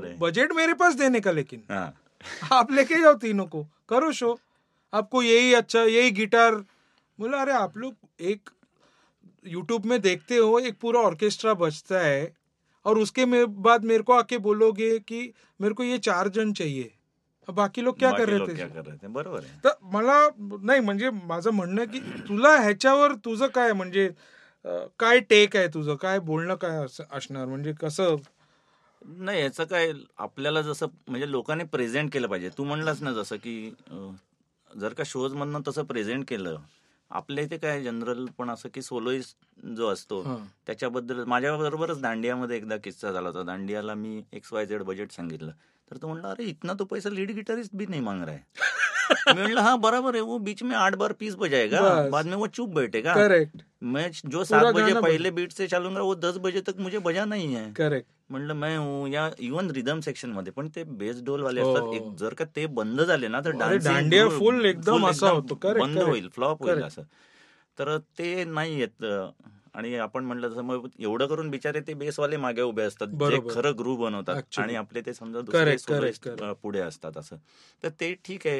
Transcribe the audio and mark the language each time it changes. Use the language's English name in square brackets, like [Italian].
[Hindi] Budget मेरे पास देने का, लेकिन आप लेके जाओ तीनों को, करो शो. आपको यही अच्छा, यही गिटार. बोला अरे आप लोग एक यूट्यूब में देखते हो, एक पूरा ऑर्केस्ट्रा बजता है और उसके बाद मेरे को आके बोलोगे कि मेरे को ये चार जन चाहिए, बाकी लोग क्या कर रहे थे. [Marathi] बरोबर. तो मला नाही, म्हणजे माझं म्हणणं की तुला ह्याच्यावर तुझं काय, म्हणजे काय टेक आहे तुझं, काय बोलणं काय असणार, म्हणजे कसं. नाही याचं काय, आपल्याला जसं म्हणजे लोकांनी प्रेझेंट केलं पाहिजे. तू म्हणलंस ना जसं की जर का शोज मधनं तसं प्रेझेंट केलं, आपल्या इथे काय जनरल पण असं की सोलोईस्ट जो असतो त्याच्याबद्दल. माझ्याबरोबरच दांडियामध्ये एकदा किस्सा झाला होता. दांडियाला मी एक्स वाय झेड बजेट सांगितलं तर तो म्हणला [Hindi] अरे इतना तो पैसा लीड गिटारिस्ट भी नाही मांग रहा है. [Marathi] मी म्हणलं हा बरोबर आहे, [Hindi] वो बीच में आठ बार पीस बजायगा, बाद में वो चुप बैठेगा. [English] Correct. [Hindi] मैं जो सात बजे पहले बीट से चालूंगा वो दस बजे तक मुझे बजा नाही है. [English] Correct. [Marathi] म्हणलं मी हूँ या इवन रिदम सेक्शन मध्ये, पण ते बेस डोल वाले असतात, एक जर का ते बंद झाले ना तर डांडिया फुल एकदम असा होतो, बंद होईल, फ्लॉप होईल असं. तर ते नाही येत. आणि आपण म्हणलं तसं मग एवढं करून बिचारे ते बेसवाले मागे उभे असतात, जे खरं ग्रुप बनवतात आणि आपले ते समजा पुढे असतात असं. तर ते ठीक आहे.